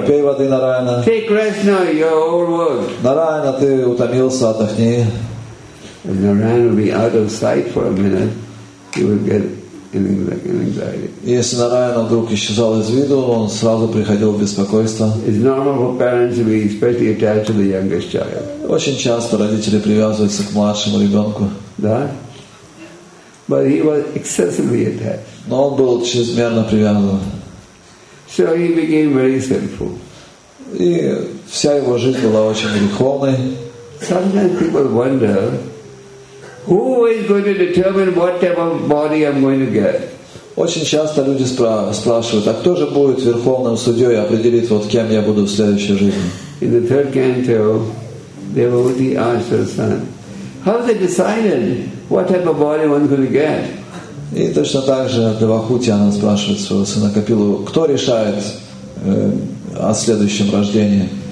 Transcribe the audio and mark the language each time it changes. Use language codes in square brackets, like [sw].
[ru] Попей воды, Нараяна. [en] Take rest now, you're overworked. [ru] Нараяна, ты утомился, отдохни. [en] If Нараяна will be out of sight for a minute, he will get anxiety. [ru] Если Нараяна вдруг исчезал из виду, он сразу приходил в беспокойство. [en] It's normal for parents to be especially attached to the youngest child. [ru] Очень часто родители привязываются к младшему ребенку. Да? [en] But he was excessively attached. [ru] Но он был чрезмерно привязан. [en] So he became very sinful. [ru] И вся его жизнь была очень греховной. [en] Sometimes people wonder, who is going to determine what type of body I'm going to get? [ru] Очень часто люди спрашивают, а кто же будет верховным судьей определить, вот кем я буду в следующей жизни? [en] In the third canto, devotee asked her son, how they decided what type of body one's going to get? [ru] И точно так же Девахути она спрашивает своего сына Капилу, кто решает о следующем рождении?